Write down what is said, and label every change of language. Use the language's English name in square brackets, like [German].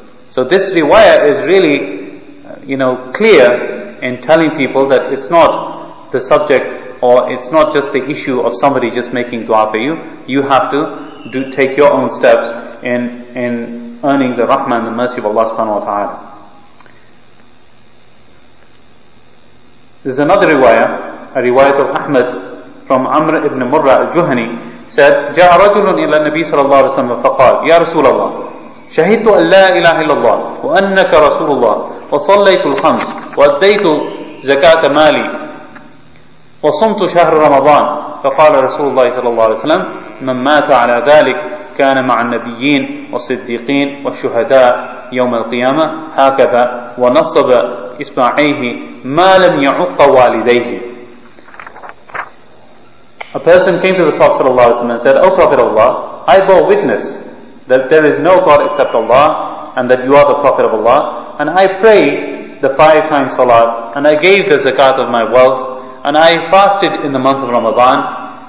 [English] So this riwayah is really, you know, clear in telling people that it's not the subject, or it's not just the issue of somebody just making dua for you. You have to do take your own steps in earning the rahmah and the mercy of Allah subhanahu wa ta'ala. There's another riwayah, a riwayat of Ahmad from Amr ibn Murra al-Juhani, said, [Arabic] جَاءَ رَجُلٌ إِلَى النَّبِي صَلَى اللَّهُ عَلَيْهِ وَسَلَّمَ فَقَالَ يَا رَسُولَ اللَّهِ شهدت أن لا إله إلا الله وأنك رسول الله وصليت الخمس وأديت زكاة مالي وصمت شهر رمضان. فقال رسول الله صلى الله عليه وسلم من مات على ذلك كان مع النبيين والصديقين والشهداء يوم القيامة هكذا ونصب إصبعيه ما لم يعق والديه. [English] A person came to the Prophet صلى الله عليه وسلم and said, O Prophet of Allah, I bore witness that there is no God except Allah and that you are the Prophet of Allah, and I prayed the 5 times salat and I gave the zakat of my wealth and I fasted in the month of Ramadan.